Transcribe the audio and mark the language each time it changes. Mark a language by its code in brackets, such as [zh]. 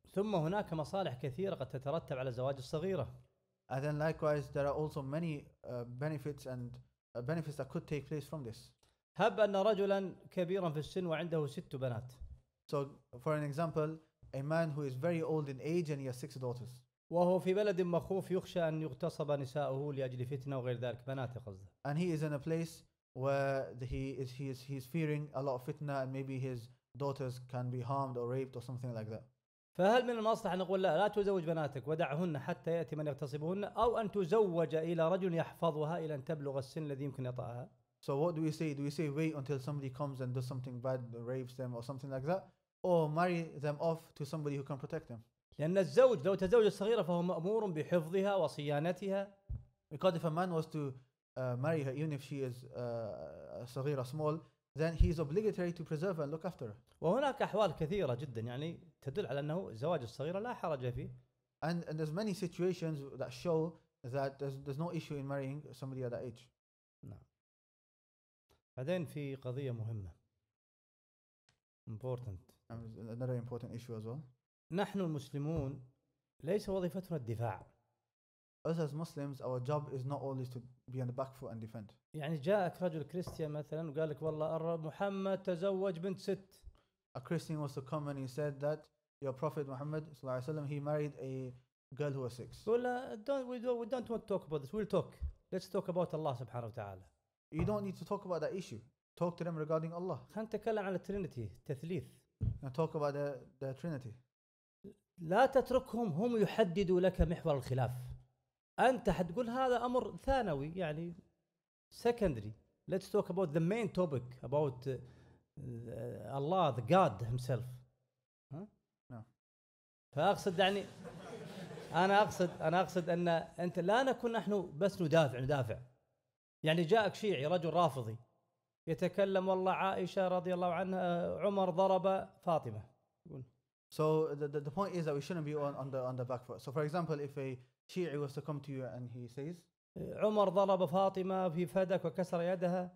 [ar] ثم هناك مصالح كثيرة قد تترتب على الزواج الصغيرة. [en] And then likewise, there are also many benefits that could take place from this. [ar] هب أن رجلا كبيرا في السن وعنده ست بنات. [en] So for an example, a man who is very old in age and he has six daughters. [ar] وهو في بلد مخوف يخشى أن يغتصب نساؤه لأجل فتنة وغير ذلك بناته قصده. [en] And he is in a place where he is fearing a lot of fitna and maybe his daughters can be harmed or raped or something like that. [ar] فهل من المصلحة أن نقول لا تزوج بناتك ودعهن حتى يأتي من يغتصبهن أو أن تزوج إلى رجل يحفظها إلى أن تبلغ السن الذي يمكن يطأها؟ [en] So what do we say? Do we say wait until somebody comes and does something bad, rapes them or something like that? Or marry them off to somebody who can protect them? [ar] لأن الزوج لو تزوج الصغيرة فهو مأمور بحفظها وصيانتها. [en] Because if a man was to marry her, even if she is صغيرة, small, then he is obligatory to preserve and look after her. [ar] وهناك أحوال كثيرة جدا يعني تدل على أنه زواج الصغيرة لا حرج فيه. [en] And there's many situations that show that there's no issue in marrying somebody at that age. [ar] نعم. بعدين في قضية مهمة. [en] Important. Another important issue as well. [ar] نحن المسلمون ليس وظيفتنا الدفاع. [en] Us as Muslims, our job is not always to be on the back foot and defend. [ar] يعني جاءك رجل كريستيان مثلا وقال لك والله محمد تزوج بنت ست. [en] A Christian was to come and he said that your prophet Muhammad [ar] صلى الله عليه وسلم [en] he married a girl who was six. [ar] ولا [en] we don't want to talk about this. We'll talk. Let's talk about Allah [ar] سبحانه وتعالى. [en] You don't need to talk about that issue. Talk to them regarding Allah. [ar] خلنا نتكلم على Trinity, تثليث. [en] Now talk about the Trinity. [ar] لا تتركهم هم يحددوا لك محور الخلاف. أنت حتقول هذا أمر ثانوي يعني [en] secondary. Let's talk about the main topic about Allah, the God himself. [ar] فأقصد يعني أنا أقصد أن أنت لا نكون نحن بس ندافع. يعني جاءك شيعي رجل رافضي يتكلم والله عائشة رضي الله عنها عمر ضرب فاطمة. [en] So the point is that we shouldn't be on the back foot. So for example, if a Shi'i was to come to you and he says, [ar] عمر ضرب فاطمة في فدك وكسر يدها.